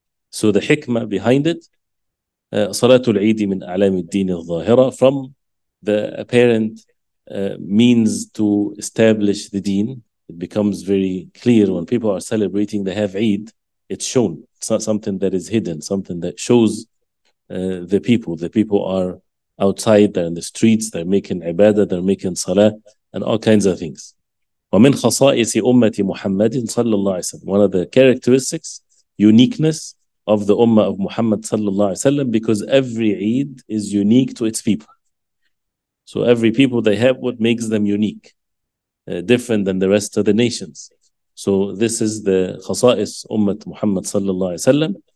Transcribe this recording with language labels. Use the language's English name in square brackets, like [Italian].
[English] So the hikmah behind it, [Arabic] salatul eidi min a'lami ad-deen al-zahira, [English] from the apparent means to establish the deen, it becomes very clear when people are celebrating, they have eid, it's shown. It's not something that is hidden, something that shows the people. The people are outside, they're in the streets, they're making ibadah, they're making salah, and all kinds of things. [Arabic] ومن خصائص أمة محمد صلى الله عليه وسلم. [English] One of the characteristics, uniqueness of the Ummah of Muhammad صلى الله عليه وسلم, because every Eid is unique to its people. So every people, they have what makes them unique, different than the rest of the nations. So this is the [Arabic] خصائص أمة محمد صلى الله عليه وسلم.